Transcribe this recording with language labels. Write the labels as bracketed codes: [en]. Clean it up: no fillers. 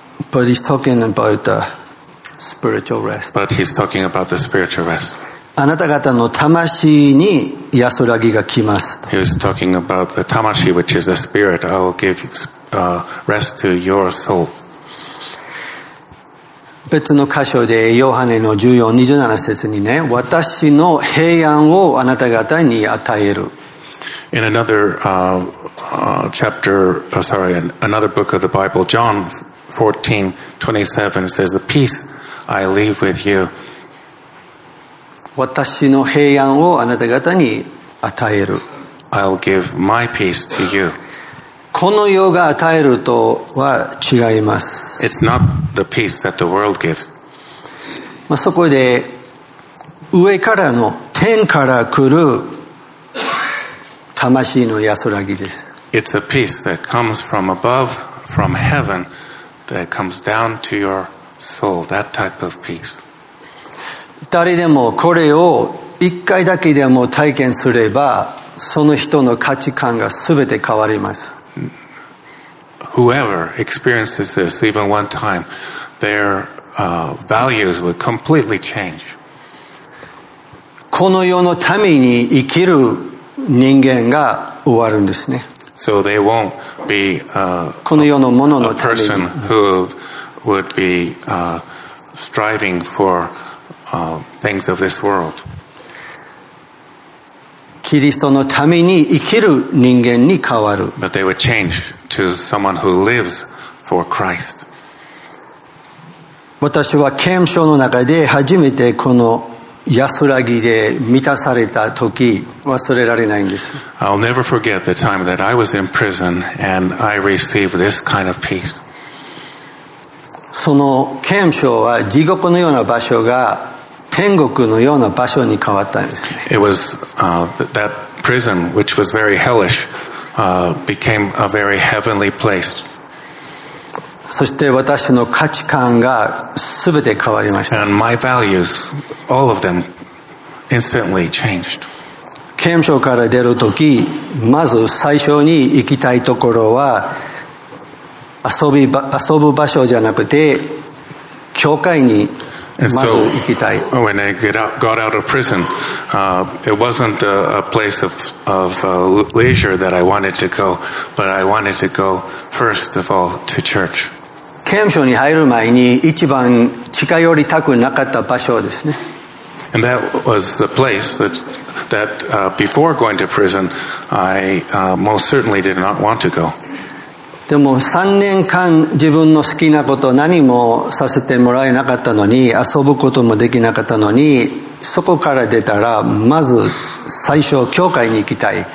[en] But he's talking about theSpiritual rest. But he's talking about the spiritual rest. [ja] あなた方の魂に安らぎが来ます。 [en] He was talking about the tamashi, which is the spirit. I will give、rest to your soul. [ja] 別の箇所でヨハネの14、27節にね、私の平安をあなた方に与える。 [en] In another chapter, sorry, in another book of the Bible, John 14:27 says, "The peace." I leave with you. [ja] 私の平安をあなた方に与える。 [en] I'll give my peace to you. [ja] この世が与えるとは違います。 [en] It's not the peace that the world gives. [ja] まあそこで上からの天から来る魂の安らぎです。 [en] It's a peace that comes from above, from heaven, that comes down to your So, that type of peace. [ja] 誰でもこれを一回だけでも体験すれば、その人の価値観がすべて変わります。 [en] Whoever experiences this even one time, their、values will completely change. [ja] この世のために生きる人間が終わるんですね。 [en] So they won't be、 [ja] この世のもののために [en] 。A person who would be、striving for、things of this world. [ja] キリストのために生きる人間に変わる。 [en] But they would change to someone who lives for Christ. [ja] 私は刑務所の中で初めてこの安らぎで満たされた時、忘れられないんです。 [en] I'll never forget the time that I was in prison and I received this kind of peace. [ja] その刑務所は地獄のような場所が天国のような場所に変わったんですね。 [en] It was that prison, which was very hellish, became a very heavenly place. [ja] そして私の価値観が全て変わりました。 [en] And my values, all of them, instantly changed. [ja] 刑務所から出るとき、まず最初に行きたいところは遊ぶ場所じゃなくて教会にまず行きたい。 [en] So, when I got out of prison, it wasn't a place of leisure that I wanted to go, but I wanted to go first of all to church. [ja] 刑務所に入る前に一番近寄りたくなかった場所ですね。 [en] And that was the place that before going to prison, I most certainly did not want to go. [ja] でも3年間自分の好きなこと何もさせてもらえなかったのに、遊ぶこともできなかったのに、そこから出たらまず最初教会に行きたい。